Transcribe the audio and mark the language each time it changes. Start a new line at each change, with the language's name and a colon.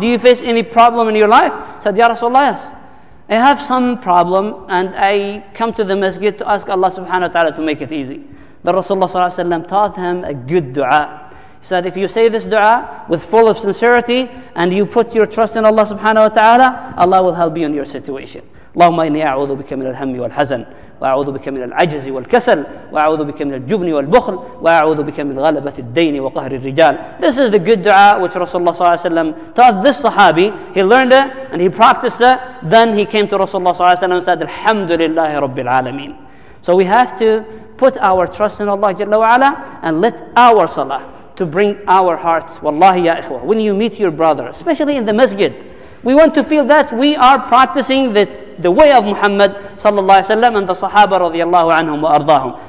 English: Do you face any problem in your life? He said, ya Rasulullah, yes. I have some problem, and I come to the masjid to ask Allah subhanahu wa ta'ala to make it easy. The Rasulullah ﷺ taught him a good dua. He said, if you say this dua with full of sincerity and you put your trust in Allah subhanahu wa ta'ala, Allah will help you in your situation.
Arabic: اللهم إني أعوذ بك من الهم والحزن وأعوذ بك من العجز والكسل وأعوذ بك من الجبن والبخل وأعوذ بك من غلبة الدين وقهر الرجال.
English: This is the good dua which Rasulullah صلى الله عليه وسلم taught this sahabi. He learned it and he practiced it. Then he came to Rasulullah صلى الله عليه وسلم and said,
Arabic: الحمد لله رب العالمين.
English: So we have to put our trust in Allah جل وعلا and let our salah to bring our hearts. Wallahi ya ikhwah, when you meet your brother, especially in the masjid, we want to feel that we are practicing the way of Muhammad sallallahu alaihi wasallam and the sahaba radiyallahu anhum wa ardahum.